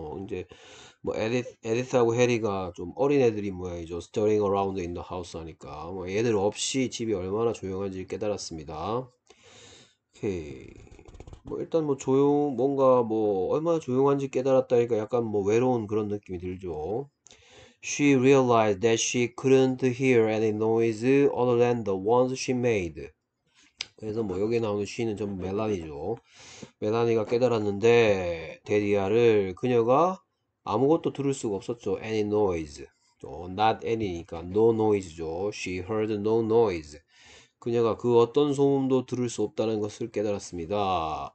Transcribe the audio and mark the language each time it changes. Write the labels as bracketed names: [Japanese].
[Korean] 뭐 이제 뭐 에디스하고 해리가 좀 어린 애들이 모양이죠. [English] stirring around in the house [Korean] 하니까 뭐 얘들 없이 집이 얼마나 조용한지 깨달았습니다. 오케이. 뭐 일단 뭐 조용 뭔가 뭐 얼마나 조용한지 깨달았다니까 약간 뭐 외로운 그런 느낌이 들죠. [English] She realized that she couldn't hear any noise other than the ones she made. [Korean] 그래서 뭐 여기 나오는 she는 전부 멜라니죠. 멜라니가 깨달았는데 데디아를 그녀가 아무것도 들을 수가 없었죠. [English] Any noise. Not any니까 no noise죠. She heard no noise. [Korean] 그녀가 그 어떤 소음도 들을 수 없다는 것을 깨달았습니다.